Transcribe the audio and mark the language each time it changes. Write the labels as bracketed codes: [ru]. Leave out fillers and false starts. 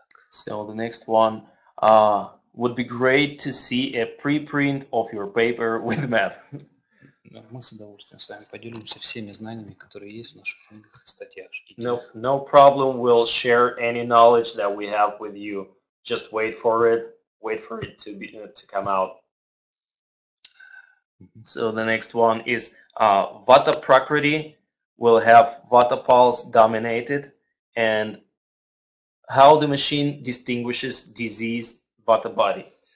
[en] So the next one. Would be great to see a preprint of your paper with math. [ru] Мы с удовольствием с вами поделимся всеми знаниями, которые есть в наших книгах и статьях. [en] No problem, we'll share any knowledge that we have with you. Just wait for it to come out. So the next one is Vata Prakriti will have Vata pulse dominated, and how the machine distinguishes disease Vata body.